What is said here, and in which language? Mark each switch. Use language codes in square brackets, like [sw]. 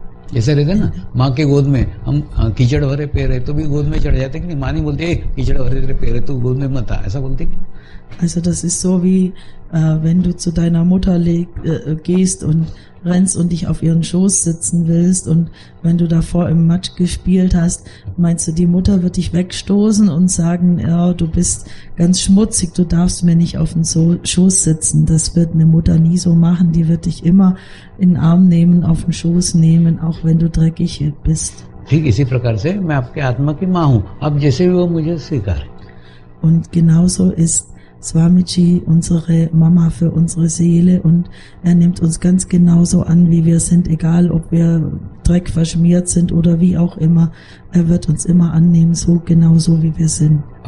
[hi] जैसे रहते ना माँ के गोद में हम कीचड़ भरे पैर है तो भी गोद में चढ़ जाते कि नहीं, माँ नहीं बोलती कीचड़ भरे तेरे पैर है तू गोद में मत आ, ऐसा बोलती है? [de] Also das ist so wie wenn du zu deiner Mutter gehst und rennst und dich auf ihren Schoß sitzen willst und wenn du davor im Matsch gespielt hast, meinst du, die Mutter wird dich wegstoßen und sagen, ja, du bist ganz schmutzig, du darfst mir nicht auf den Schoß sitzen. Das wird eine Mutter nie so machen, die wird dich immer in den Arm nehmen, auf den Schoß nehmen, auch wenn du dreckig bist. [hi] ठीक इसी प्रकार से मैं आपके आत्मा की माँ हूँ, अब जैसे भी वो मुझे स्वीकार. [de] Und genauso ist Swamiji, unsere Mama für unsere Seele und er nimmt uns ganz genauso an, wie wir sind, egal ob wir Dreck verschmiert sind oder wie auch immer, er wird uns immer annehmen, so genauso wie wir sind.